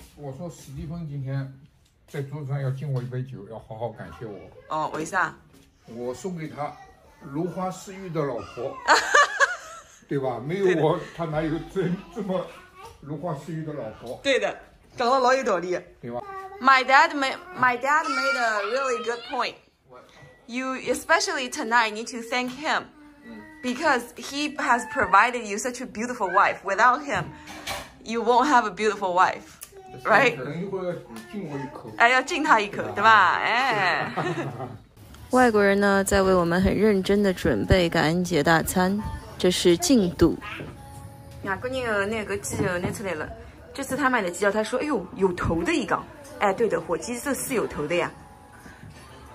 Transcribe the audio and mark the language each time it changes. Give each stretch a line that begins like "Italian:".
Chinese: 我说史蒂芬今天在桌上要敬我一杯酒，要好好感谢我。哦，为啥？我送给他如花似玉的老婆，对吧？没有我，他哪有这么如花似玉的老婆？对的。讲了老有道理，对吧
English: ？My dad made a really good point. You especially tonight need to thank him, because he has provided you such a beautiful wife. Without him, you won't have a beautiful wife, right?
Chinese: 等一会儿要敬我一口，哎，要敬他一口，对吧？哎。外国人呢，在为我们很认真的准备感恩节大餐，这是进度。外国人的那个鸡肉拿出来了。这次他买的鸡叫，他说：“哎呦，有头的一个，哎，对的，火鸡这是有头的呀。”